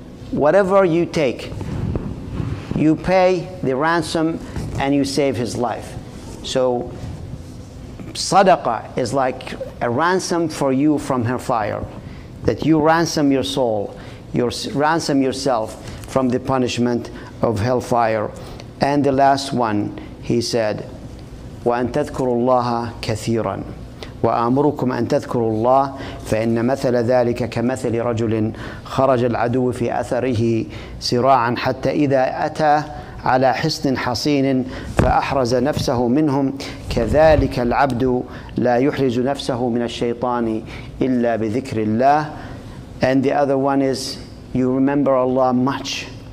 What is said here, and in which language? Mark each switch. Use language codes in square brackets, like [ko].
[en] Whatever you take, you pay the ransom and you save his life. So sadaqah is like a ransom for you from her fire, that you ransom your soul, you ransom yourself from the punishment of hellfire. And the last one, he said, [ar] وَأَن تَذْكُرُوا اللَّهَ كَثِيرًا وَأَمُرُكُمْ أَن تَذْكُرُوا اللَّهَ فَإِنَّ مَثَلَ ذَلِكَ كَمَثَلِ رَجُلٍ خَرَجَ الْعَدُوُّ فِي أَثَرِهِ سِرَاعًا حَتَّى إِذَا أَتَى عَلَى حِصْنٍ حَصِينٍ فَأَحْرَزَ نَفْسَهُ مِنْهُمْ كَذَلِكَ الْعَبْدُ لَا يُحْرِزُ نَفْسَهُ مِنَ الشَّيْطَانِ إِلَّا بِذِكْرِ اللَّهِ. [en] And the other one is, you remember Allah much.